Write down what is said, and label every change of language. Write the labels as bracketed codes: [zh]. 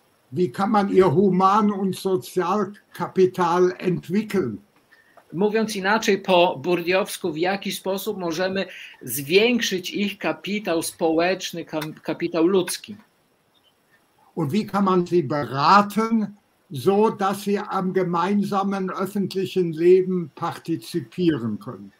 [de] Wie kann man ihr Human- und Sozialkapital entwickeln? [pl] Mówiąc inaczej, po burdiowsku, w jaki sposób możemy zwiększyć ich kapitał społeczny, kapitał ludzki? [de] Und wie kann man sie beraten, so dass sie am gemeinsamen öffentlichen Leben partizipieren können?